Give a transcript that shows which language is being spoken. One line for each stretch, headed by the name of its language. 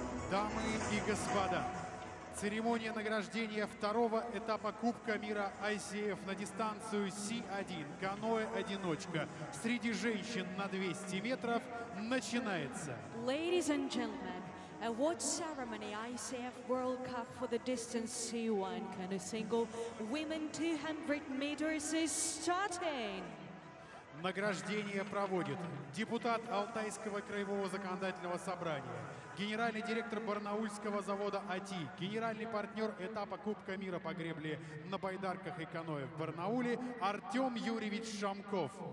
Russian: Дамы и господа, церемония награждения второго этапа Кубка мира ICF на дистанцию C1 каноэ-одиночка среди женщин на 200 метров начинается.
English: Ladies and gentlemen, award ceremony ICF World Cup for the distance C1 canoe single women 200 meters is starting.
Russian: Награждение проводит депутат Алтайского краевого законодательного собрания, генеральный директор Барнаульского завода АТИ, генеральный партнер этапа Кубка мира по гребле на байдарках и каноэ в Барнауле Артем Юрьевич Шамков.